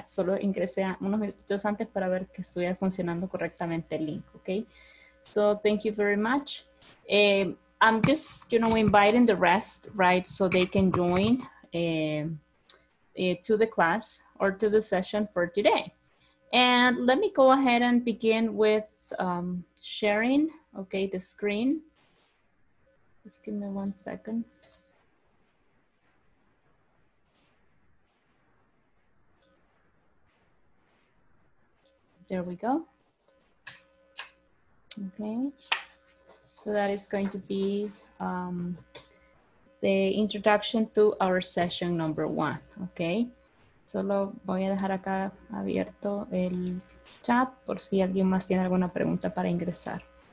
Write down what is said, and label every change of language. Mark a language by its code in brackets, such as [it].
[es] Solo ingresé unos minutos antes para ver que estuviera funcionando correctamente el link, okay? [en] So thank you very much. I'm just, you know, inviting the rest, right, so they can join to the class or to the session for today. And let me go ahead and begin with sharing, okay, the screen. Just give me 1 second. There we go. Okay. So that is going to be the introduction to our session number one, okay? [es] Solo voy a dejar acá abierto el chat por si alguien más tiene alguna pregunta para ingresar.